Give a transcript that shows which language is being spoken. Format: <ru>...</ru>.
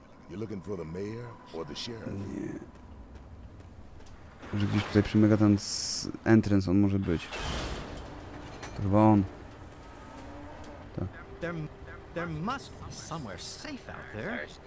<en>You looking for the mayor or the sheriff?</en> <pl>Nie. Może gdzieś tutaj przy Megaton z entrance on może być. To chyba on. Tak.</pl> <en>There must be somewhere safe out there.</en>